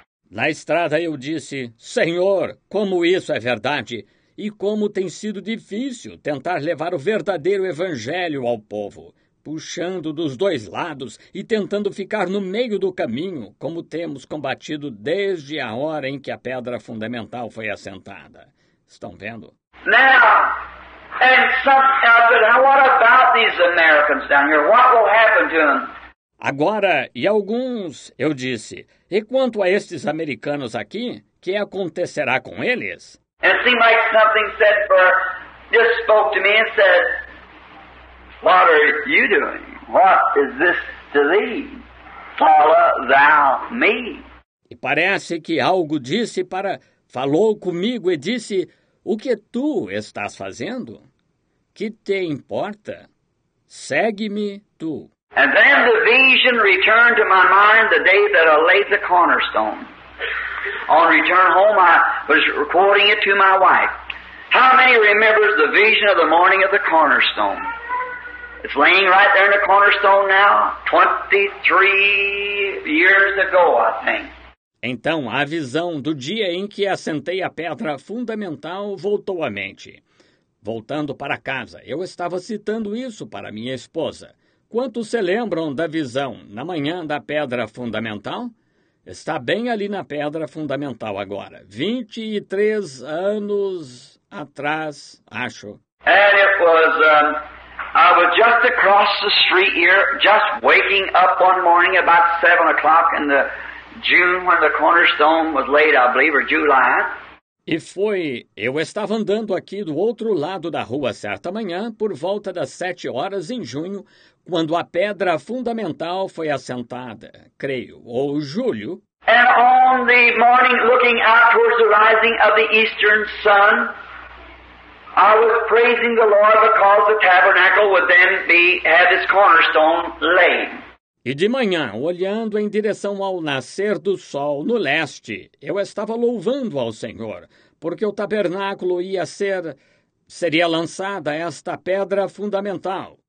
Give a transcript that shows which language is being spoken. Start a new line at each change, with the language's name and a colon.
Portuguese: Na estrada, eu disse, Senhor, como isso é verdade? E como tem sido difícil tentar levar o verdadeiro evangelho ao povo, puxando dos dois lados e tentando ficar no meio do caminho, como temos combatido desde a hora em que a pedra fundamental foi assentada. Estão vendo?
English: Now, and what about these Americans down here? What will happen to them?
Portuguese: Agora, e alguns, eu disse, e quanto a estes americanos aqui, que acontecerá com eles?
English: And it seemed like something said for just spoke to me and said, what are you doing? What is this to thee? Follow thou me.
Portuguese: E parece que algo disse para, falou comigo e disse, o que tu estás fazendo? Que te importa? Segue-me tu.
English: And then the vision returned to my mind the day that I laid the cornerstone. On return home, I was recording it to my wife. How many remembers the vision of the morning of the cornerstone? It's laying right there in the cornerstone now, 23 years ago, I think.
Portuguese: Então, a visão do dia em que assentei a pedra fundamental voltou à mente. Voltando para casa, eu estava citando isso para minha esposa. Quantos se lembram da visão na manhã da pedra fundamental? Está bem ali na pedra fundamental agora. 23 anos atrás, acho.
English: And it was, I was just across the street here, just waking up one morning about 7 o'clock in the June when the cornerstone was laid, I believe, or July.
Portuguese: E foi, eu estava andando aqui do outro lado da rua certa manhã, por volta das 7 horas em junho, quando a pedra fundamental foi assentada, creio, ou julho.
English: And on the morning looking out towards the rising of the eastern sun, I was praising the Lord because the tabernacle would then be had its cornerstone laid.
Portuguese: E de manhã, olhando em direção ao nascer do sol no leste, eu estava louvando ao Senhor, porque o tabernáculo ia ser, seria lançada esta pedra fundamental.